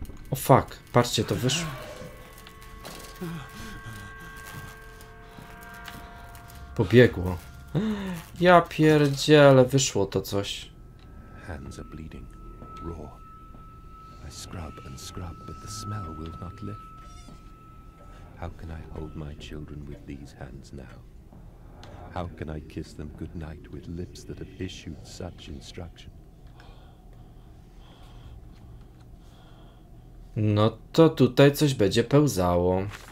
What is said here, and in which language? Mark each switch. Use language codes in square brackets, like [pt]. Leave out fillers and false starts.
[pl] O fuck, patrzcie, to wyszło. Pobiegło. Ja pierdzielę, wyszło to coś. [en] Hands are bleeding, raw. I scrub and scrub, but the smell will not lift. How can I hold my children with these hands now? How can I kiss them good night with lips that have issued such instruction? [pl] No to tutaj coś będzie pełzało.